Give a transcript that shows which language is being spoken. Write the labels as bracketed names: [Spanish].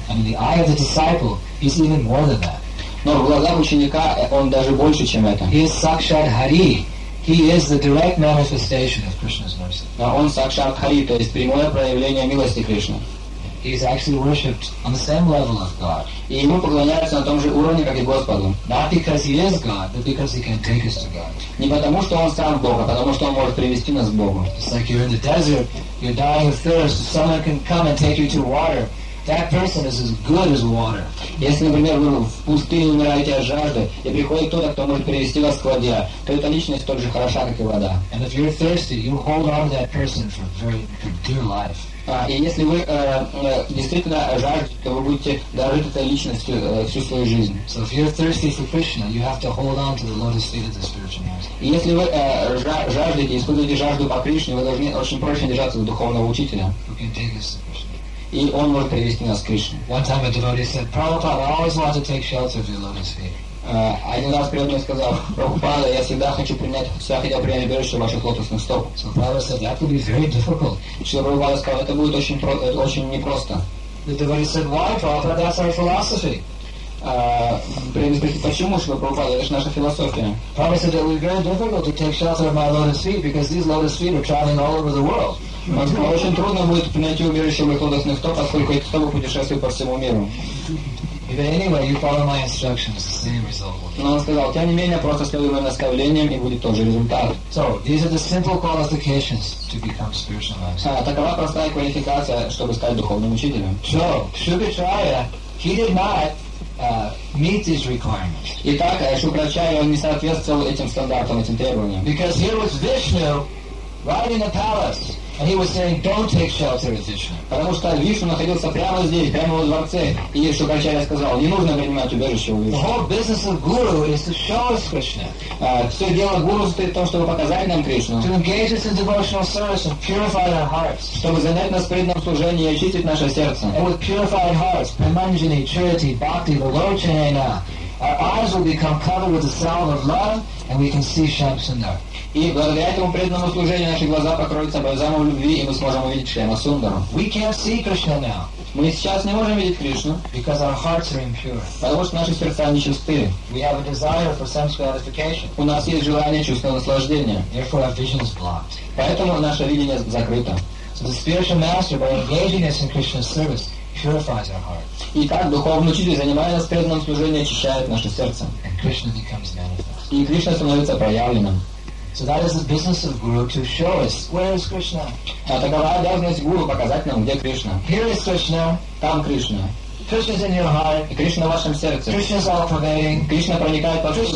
[English] And the eye of the disciple is even more than that. [Russian] Но в глазах ученика он даже больше, чем это. [English] He is Sakshat Hari. He is the direct manifestation of Krishna's mercy. [Russian] Но он Сакшат Хари, то есть прямое проявление милости Кришны. [English] He is actually worshipped on the same level as God. [Russian] И ему поклоняются на том же уровне, как и Господу. [English] Not because he is God, but because he can take us to God. [Russian] Не потому, что он сам Бог, а потому, что он может привести нас к Богу. [English] It's like you're in the desert, you're dying of thirst, someone can come and take you to water. That person is as good as water. [Russian] Если, например, вы в пустыне умираете от жажды, и приходит кто-то, кто может привести вас к воде, то эта личность тоже хороша, как и вода. [English] And if you're thirsty, you hold on to that person for dear life. [Russian] И если вы действительно жаждете, то вы будете дарить этой личности всю свою жизнь. [English] So if you're thirsty for Krishna, you have to hold on to the lotus feet of the spiritual master. [Russian] Если вы жаждете, испытываете жажду по Кришне, вы должны очень прочно держаться за духовного учителя. [English] Who can take us to [Russian] И он может привести нас к Кришне. [English] One time a devotee said, Prabhupada, I always want to take shelter of your lotus feet. [Russian] Один раз преданный сказал, Прабхупада, я всегда хочу принять, всегда хотел принять убежище ваших лотосных стоп. [English] So Prabhupada said, that would be very difficult. [Russian] Шрила Прабхупада сказал, это будет очень непросто. [English] The devotee said, why, Prabhupada, that's our philosophy. [Russian] Преданный спросил, почему, Шрила Прабхупада, это же наша философия. [English] Prabhupada said, it would be very difficult to take shelter of my lotus feet, because these lotus feet are traveling all over the world. [Russian] Он сказал, очень трудно будет принять убежище моих лотосных стоп, поскольку эти стопы путешествуют по всему миру. [English] If anyway you follow my instructions, the same result will be. [Russian] Но он сказал, тем не менее, просто следуй моим наставлениям, и будет тоже результат. [English] So, these are the simple qualifications to become spiritual master. [Russian] Такова простая квалификация, чтобы стать духовным учителем. [English] So, Шукрачарья, he did not meet these requirements. [Russian] Итак, Шукрачарья, он не соответствовал этим стандартам, этим требованиям. [English] Because here was Vishnu right in the palace. And he was saying, "Don't take shelter of Vishnu." [Russian] Потому что Вишну находился прямо здесь, прямо во дворце. И Шукрачарья сказал, не нужно принимать убежище у Вишну. [English] The whole business of guru is to show us Krishna. [Russian] Все дело гуру состоит в том, чтобы показать нам Кришну. [English] To engage us in devotional service and purify our hearts. [Russian] Чтобы занять нас в преданном служении и очистить наше сердце. [English] And with purified hearts, Premanjani, Charity, Bhakti, Vilochana, our eyes will become covered with the salve of love, and we can see Shyamasundara. [Russian] И благодаря этому преданному служению наши глаза покроются бальзамом любви, и мы сможем увидеть Шрияма Сундару. [English] We can't see Krishna now. [Russian] Мы сейчас не можем видеть Кришну. [English] Because our hearts are impure. [Russian] Потому что наши сердца нечисты. [English] We have a desire for sense gratification. [Russian] У нас есть желание чувственного наслаждения. [English] Therefore our vision is blocked. [Russian] Поэтому наше видение закрыто. [English] So the spiritual master, by engaging us in Krishna's service, purifies our heart. [Russian] И так духовный учитель, занимая нас преданным служением, очищает наше сердце. [English] And Krishna becomes manifest. [Russian] И Кришна становится проявленным. [English] So that is the business of Guru, to show us, where is Krishna? [Russian] Такова обязанность Гуру показать нам, где Кришна. [English] Here is Krishna. [Russian] Там Кришна. [English] Krishna is in your heart. [Russian] И Кришна в вашем сердце. [English] Krishna is all-pervading. [Russian] Кришна проникает повсюду.